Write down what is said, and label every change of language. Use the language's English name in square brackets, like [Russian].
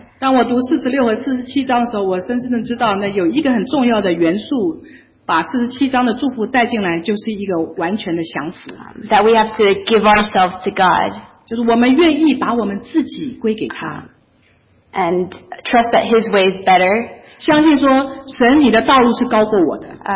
[Chinese] 当我读46和47章的时候，我深深的知道那有一个很重要的元素把47章的祝福带进来就是一个完全的降服。 [English] That we have to give ourselves to God. [Chinese] 就是我们愿意把我们自己归给他。 [English] And trust that his way is better. [Chinese] 相信说神你的道路是高过我的。